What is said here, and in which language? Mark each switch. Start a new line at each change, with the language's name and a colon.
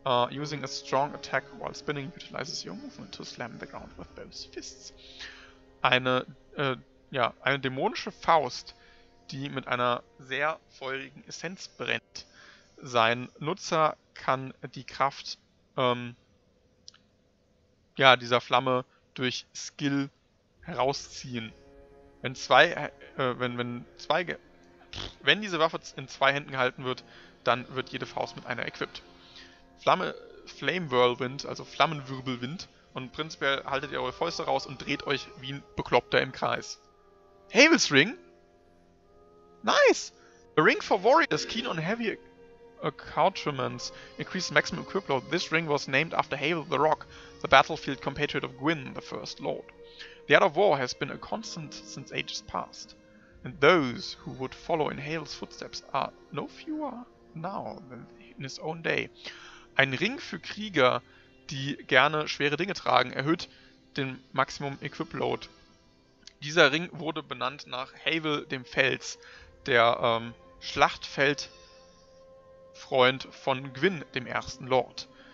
English: Using a strong attack while spinning utilizes your movement to slam the ground with both fists.
German: Eine dämonische Faust, die mit einer sehr feurigen Essenz brennt. Sein Nutzer kann die Kraft dieser Flamme durch Skill herausziehen. Wenn diese Waffe in zwei Händen gehalten wird, dann wird jede Faust mit einer equipped. Flame Whirlwind, also Flammenwirbelwind, und prinzipiell haltet ihr eure Fäuste raus und dreht euch wie ein Bekloppter im Kreis.
English: Havel's Ring? Nice! A ring for warriors keen on heavy accoutrements increases maximum equip load. This ring was named after Havel the Rock, the battlefield compatriot of Gwyn, the First Lord. The art of war has been a constant since ages past, and those who would follow in Havel's footsteps are no fewer now than in his own day.
German: Ein Ring für Krieger, die gerne schwere Dinge tragen, erhöht den Maximum Equip Load. Dieser Ring wurde benannt nach Havel dem Fels, der Schlachtfeldfreund von Gwyn, dem ersten Lord.